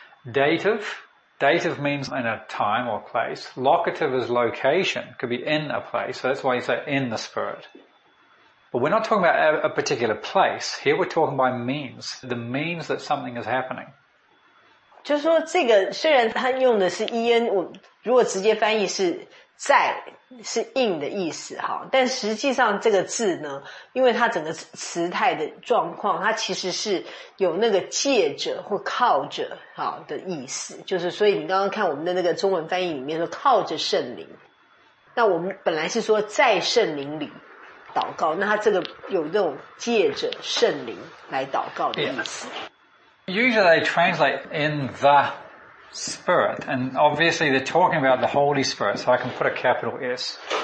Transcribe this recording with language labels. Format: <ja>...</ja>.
<en>Dative means in a time or place. Locative is location, could be in a place, so that's why you say in the spirit. But we're not talking about a particular place. Here we're talking by means, the means that something is happening.</en> <zh>就是说这个虽然他用的是EN,如果直接翻译是在, 是应的意思，但实际上这个字呢，因为它整个词态的状况，它其实是有那个借着或靠着的意思，就是所以你刚刚看我们的那个中文翻译里面说靠着圣灵，那我们本来是说在圣灵里祷告，那它这个有那种借着圣灵来祷告的意思。</zh> <en>Usually they translate in the spirit, and obviously they're talking about the Holy Spirit, so I can put a capital S.</en>